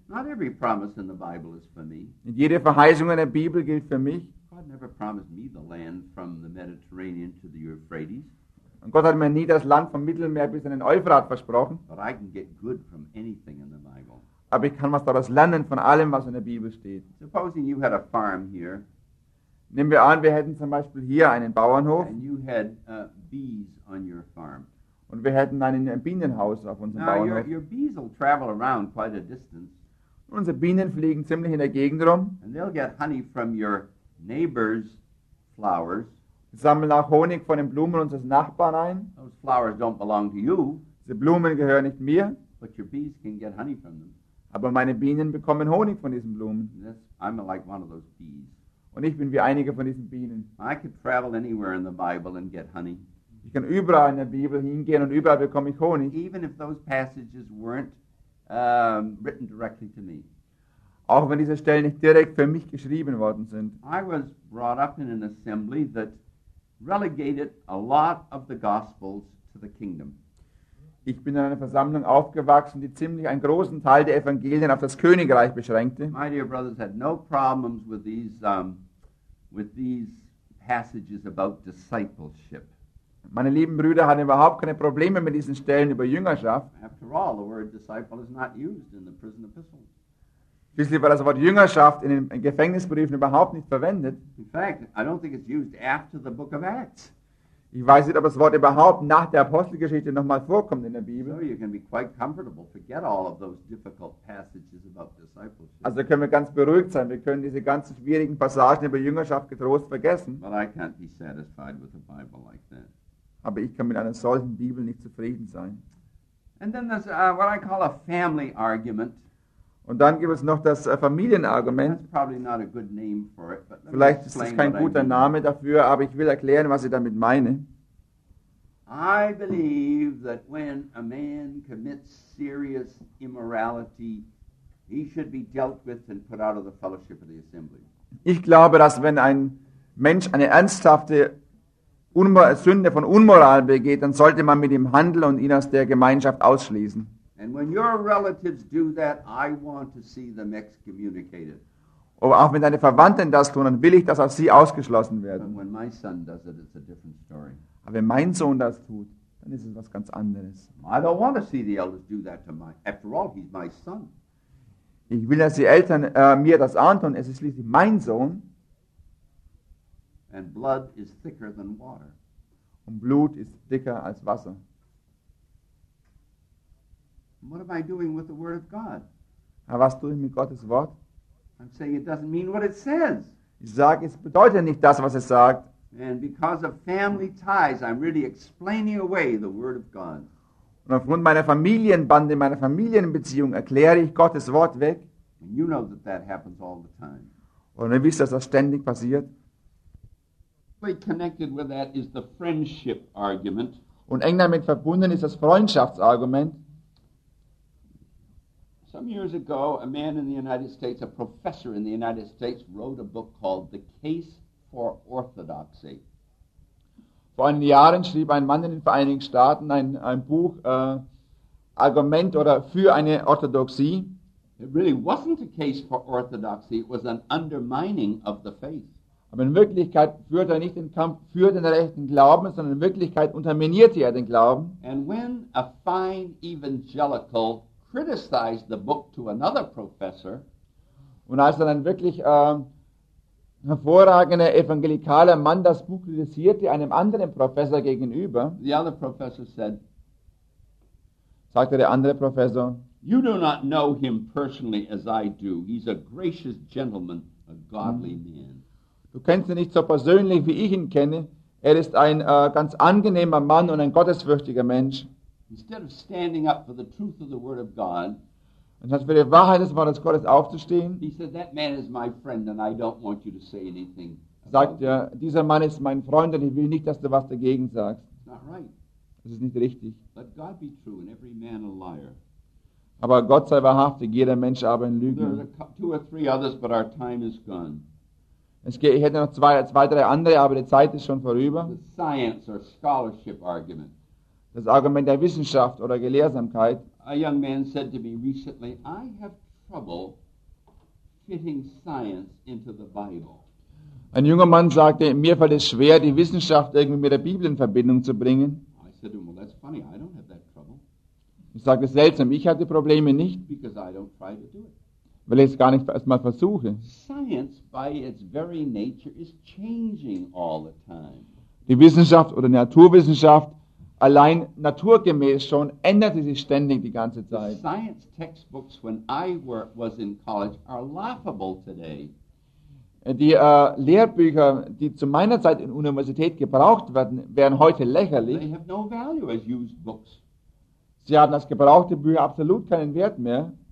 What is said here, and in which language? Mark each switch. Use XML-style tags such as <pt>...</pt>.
<en>Not every promise in the Bible is for me.</en> <de>Nicht jede Verheißung in der Bibel gilt für mich.</de> <en>God never promised me the land from the Mediterranean to the Euphrates.</en> <de>Und Gott hat mir nie das Land vom Mittelmeer bis in den Euphrat versprochen.</de> <en>But I can get good from anything in the Bible.</en> <de>Aber ich kann was daraus lernen von allem, was in der Bibel steht.</de> <en>Supposing you had a farm here.</en> <de>Nehmen wir an, wir hätten zum Beispiel hier einen Bauernhof.</de> <en>And you had bees on your farm.</en> <de>Und wir hätten ein Bienenhaus auf unserem</de> <en>Now,</en> <de>Bauernhof.</de> <en>Your bees will travel around quite a distance.</en> <de>Und unsere Bienen fliegen ziemlich in der Gegend rum.</de> <en>And they'll get honey from your neighbor's flowers.</en> <de>Sammeln auch Honig von den Blumen unseres Nachbarn ein.</de> <en>Those flowers don't belong to you.</en> <de>Die Blumen gehören nicht mir.</de> <en>But your bees can get honey from them.</en> <de>Aber meine Bienen bekommen Honig von diesen Blumen.</de> <en>Yes, I'm like one of those bees.</en> <de>Und ich bin wie einige von diesen Bienen.</de> <en>I could travel anywhere in the Bible and get honey.</en> <de>Ich kann überall in der Bibel hingehen und überall bekomme ich Honig.</de> <en>Even if those passages weren't written directly to me.</en> <de>Auch wenn diese Stellen nicht direkt für mich geschrieben worden sind.</de> <en>I was brought up in an assembly that relegated a lot of the gospels to the kingdom.</en> <de>Ich bin in einer Versammlung aufgewachsen, die ziemlich einen großen Teil der Evangelien auf das Königreich beschränkte.</de> <en>My dear brothers had no problems with these passages about discipleship.</en> <de>Meine lieben Brüder hatten überhaupt keine Probleme mit diesen Stellen über Jüngerschaft.</de> <en>After all, the word disciple is not used in the prison epistles.</en> <de>Schließlich war das Wort Jüngerschaft in den Gefängnisbriefen überhaupt nicht verwendet.</de> <en>In fact, I don't think it's used after the book of Acts.</en> <de>Ich weiß nicht, ob das Wort überhaupt nach der Apostelgeschichte nochmal vorkommt in der Bibel.</de> <en>So you can be quite comfortable. Forget all of those difficult passages about discipleship.</en> <de>Also können wir ganz beruhigt sein. Wir können diese ganzen schwierigen Passagen über Jüngerschaft getrost vergessen.</de> <en>But I can't be satisfied with a Bible like that.</en> <de>Aber ich kann mit einer solchen Bibel nicht zufrieden sein.</de> <en>And then there's what I call a family argument.</en> <de>Und dann gibt es noch das Familienargument.</de> <en>That's probably not a good name for it, but</en> <de>vielleicht ist es kein guter Name dafür, aber ich will erklären, was ich damit meine.</de> <en>I believe that when a man commits serious immorality, he should be dealt with and put out of the fellowship of the assembly.</en> <de>Ich glaube, dass wenn ein Mensch eine ernsthafte Sünde von Unmoral begeht, dann sollte man mit ihm handeln und ihn aus der Gemeinschaft ausschließen.</de> <en>And when your relatives do that, I want to see them excommunicated.</en> <de>Aber auch wenn deine Verwandten das tun, dann will ich, dass auch sie ausgeschlossen werden.</de> <en>But when my son does it, it's a different story.</en> <de>Aber wenn mein Sohn das tut, dann ist es was ganz anderes.</de> <en>I don't want to see the elders do that to my. After all, he's my son.</en> <de>Ich will, dass die Eltern mir das antun. Es ist schließlich mein Sohn.</de> <en>And blood is thicker than water.</en> <de>Und Blut ist dicker als Wasser.</de> <en>What am I doing with the Word of God?</en> <de>Was tue ich mit Gottes Wort?</de> <en>I'm saying it doesn't mean what it says.</en> <de>Ich sage, es bedeutet nicht das, was es sagt.</de> <en>And because of family ties, I'm really explaining away the Word of God.</en> <de>Und aufgrund meiner Familienbande, meiner Familienbeziehung, erkläre ich Gottes Wort weg.</de> <en>And you know that that happens all the time.</en> <de>Und ihr wisst, dass das ständig passiert.</de> <en>Really connected with that is the friendship argument.</en> <de>Und eng damit verbunden ist das Freundschaftsargument.</de> <en>Some years ago, a man in the United States, a professor in the United States, wrote a book called The Case for Orthodoxy.</en> <de>Vor einigen Jahren schrieb ein Mann in den Vereinigten Staaten ein Buch, Argument oder für eine Orthodoxie.</de> <en>It really wasn't a case for orthodoxy, it was an undermining of the faith.</en> <de>Aber in Wirklichkeit führte er nicht den Kampf für den rechten Glauben, sondern in Wirklichkeit unterminierte er den Glauben.</de> <en>And when a fine evangelical criticized the book to another professor.</en> <de>Und als dann ein wirklich hervorragender evangelikaler Mann das Buch kritisierte einem anderen Professor gegenüber,</de> <en>the other professor said,</en> <de>sagte der andere Professor,</de> <en>you do not know him personally as I do. He's a gracious gentleman, a godly man.</en> <de>Du kennst ihn nicht so persönlich wie ich ihn kenne. Er ist ein ganz angenehmer Mann und ein gottesfürchtiger Mensch.</de> <en>Instead of standing up for the truth of the Word of God,</en> <de>anstatt für die Wahrheit des Wortes Gottes aufzustehen,</de> <en>he said, that man is my friend and I don't want you to say anything.</en> <de>Sagt er, dieser Mann ist mein Freund und ich will nicht, dass du was dagegen sagst.</de> <en>It's not right.</en> <de>Das ist nicht richtig.</de> <en>Let God be true and every man a liar.</en> <de>Aber Gott sei wahrhaftig, jeder Mensch aber ein Lügner.</de> <en>There are two or three others, but our time is gone.</en> <de>Ich hätte noch zwei, drei andere, aber die Zeit ist schon vorüber.</de> <en>The science or scholarship argument.</en> <de>Das Argument der Wissenschaft oder Gelehrsamkeit.</de> <en>A young man said to me recently, I have trouble fitting science into the Bible.</en> <de>Ein junger Mann sagte, mir fällt es schwer, die Wissenschaft irgendwie mit der Bibel in Verbindung zu bringen.</de> <en>I said, well, that's funny. I don't have that trouble.</en> <de>Ich sagte, seltsam, ich hatte Probleme nicht,</de> <en>because I don't try to do it.</en> <de>Weil ich es gar nicht erstmal versuche.</de> <en>Science by its very nature is changing all the time.</en> <de>Die Wissenschaft oder Naturwissenschaft allein naturgemäß schon änderte sich ständig die ganze Zeit.</de> <en>The science textbooks when I was in college are laughable today.</en> <de>Die Lehrbücher, die zu meiner Zeit in Universität gebraucht werden, wären heute lächerlich.</de> <en>They have no value as used books.</en> <de>Sie haben als gebrauchte Bücher absolut keinen Wert mehr.</de>